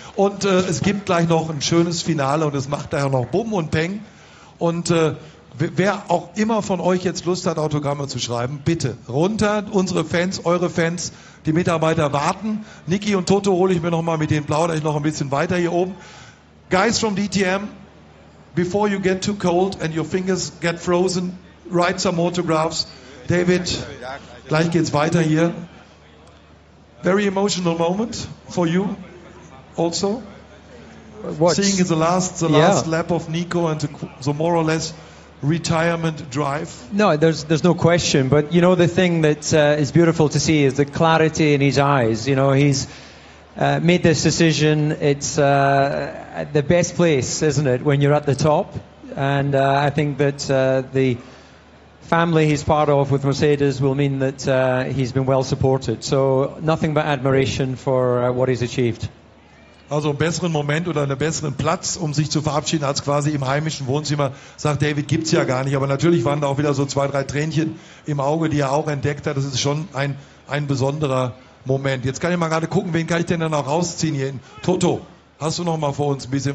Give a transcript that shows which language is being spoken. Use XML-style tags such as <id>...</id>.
<de>Und es gibt gleich noch ein schönes Finale und es macht daher noch Bumm und Peng. Und wer auch immer von euch jetzt Lust hat, Autogramme zu schreiben, bitte runter. Unsere Fans, eure Fans, die Mitarbeiter warten. Niki und Toto hole ich mir nochmal mit denen, plaudere ich noch ein bisschen weiter hier oben.</de> <en>Guys from DTM, before you get too cold and your fingers get frozen, write some autographs. David,</en> <de>gleich geht's weiter hier.</de> <en>Very emotional moment for you also. What? Seeing the last lap of Nico and the more or less retirement drive. No, there's no question. But you know, the thing that is beautiful to see is the clarity in his eyes. You know, he's made this decision. It's the best place, isn't it, when you're at the top? And I think that the family he's part of with Mercedes will mean that he's been well supported. So nothing but admiration for what he's achieved.</en> <de>Also einen besseren Moment oder einen besseren Platz, um sich zu verabschieden, als quasi im heimischen Wohnzimmer, sagt David, gibt es ja gar nicht. Aber natürlich waren da auch wieder so zwei, drei Tränchen im Auge, die er auch entdeckt hat. Das ist schon ein besonderer Moment. Jetzt kann ich mal gerade gucken, wen kann ich denn dann auch rausziehen hier. Toto, hast du noch mal vor uns ein bisschen?</de>